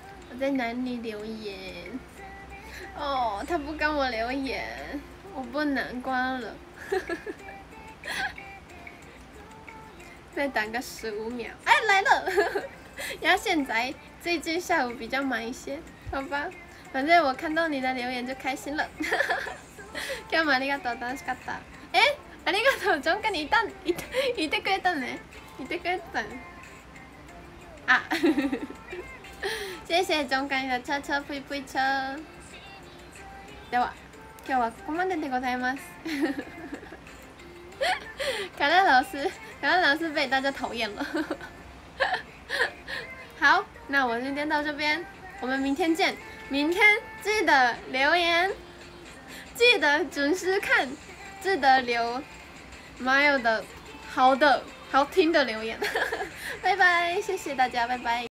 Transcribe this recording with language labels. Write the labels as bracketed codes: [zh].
[zh] 我在哪里留言？哦，他不跟我留言，我不能关了。再等个十五秒，哎，来了。呀，现在最近下午比较忙一些，好吧，反正我看到你的留言就开心了。 [ja] 今日もありがとう、楽しかった。え、ありがとう、ジョンカにいた、いた、いてくれたね、いてくれた。あ、谢谢ジョンカにの車車プイプイ車。では、今日はここまででございます。 [zh] 可乐老师，可乐老师被大家讨厌了。好，那我今天到这边，我们明天见。明天记得留言，记得准时看，记得留 Mile 的好的好听的留言。拜拜，谢谢大家，拜拜。